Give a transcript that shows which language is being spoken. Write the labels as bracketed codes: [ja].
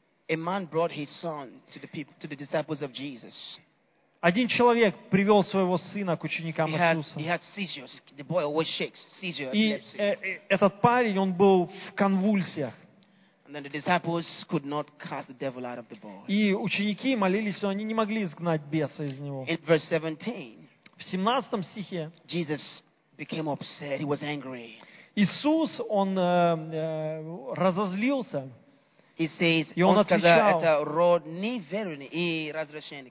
[en] A man brought his son to the people, to the disciples of Jesus. [ru] Один человек привел своего сына к ученикам Иисуса. [en] He had seizures. The boy always shakes. Seizures. [ru] И этот парень, он был в конвульсиях. [en] And then the disciples could not cast the devil out of the boy. [ru] И ученики молились, но они не могли изгнать беса из него. [en] In verse 17. [ru] В 17 стихе. [en] Jesus became upset. He was angry. [ru] Иисус, он разозлился. [en] He says, [ru] и он отвечал. Это род неверный и разрешенный.